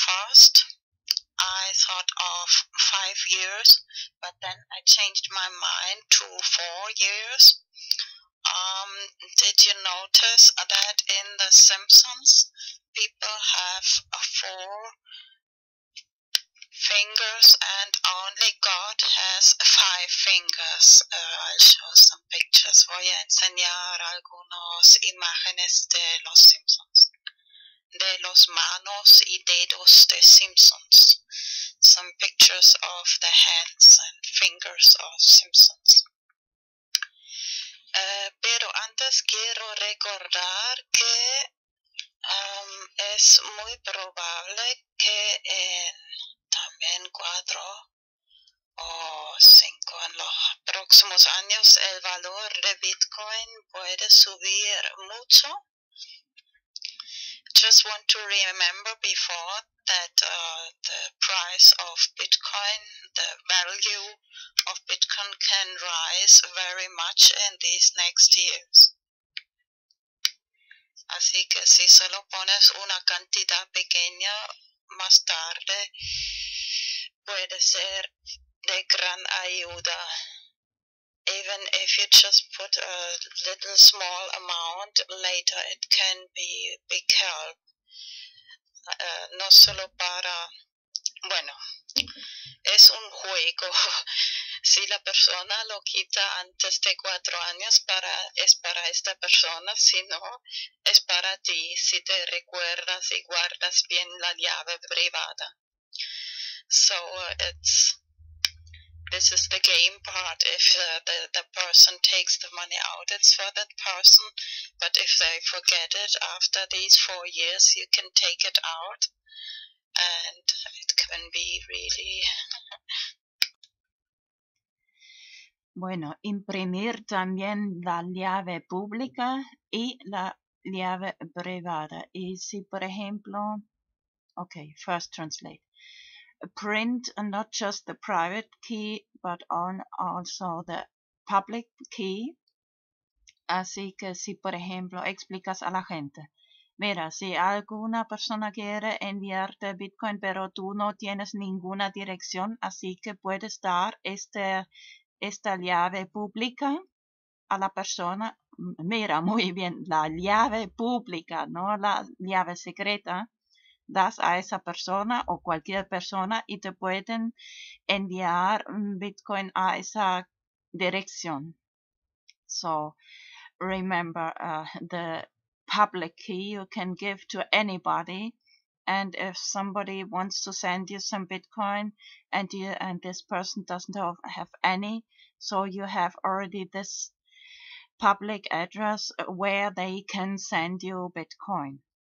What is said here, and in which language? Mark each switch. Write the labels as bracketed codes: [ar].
[en] First, I thought of 5 years, but then I changed my mind to 4 years. Did you notice that in The Simpsons, people have 4 fingers and only God has 5 fingers. I'll show some pictures. [es] Voy a enseñar algunas imágenes de los Simpsons. De los manos y dedos de Simpsons. [en] Some pictures of the hands and fingers of Simpsons. [es] Pero antes quiero recordar que es muy probable que en también 4 o 5 en los próximos años el valor de Bitcoin puede subir mucho. [en] just want to remember before that the price of Bitcoin, the value of Bitcoin can rise very much in these next years. [es] Así que si solo pones una cantidad pequeña, más tarde puede ser de gran ayuda. [en] Even if you just put a little small amount, later it can be big help. [es] No solo para, bueno, es un juego. Si la persona lo quita antes de 4 años, para, es para esta persona, si no, es para ti, si te recuerdas y guardas bien la llave privada. [en] So it's, this is the game part. If the person takes the money out, it's for that person. But if they forget it after these 4 years, you can take it out. And it can be really... [es] Bueno, imprimir también la llave pública y la llave privada. Y si, por ejemplo, okay, [en] first translate. Print not just the private key, but on also the public key. [es] Así que si, por ejemplo, explicas a la gente. Mira, si alguna persona quiere enviarte Bitcoin, pero tú no tienes ninguna dirección, así que puedes dar este... esta llave pública a la persona, mira muy bien, la llave pública, no la llave secreta, das a esa persona o cualquier persona y te pueden enviar Bitcoin a esa dirección. [en] So, remember, the public key you can give to anybody. And if somebody wants to send you some Bitcoin and you, and this person doesn't have any, so you have already this public address where they can send you Bitcoin.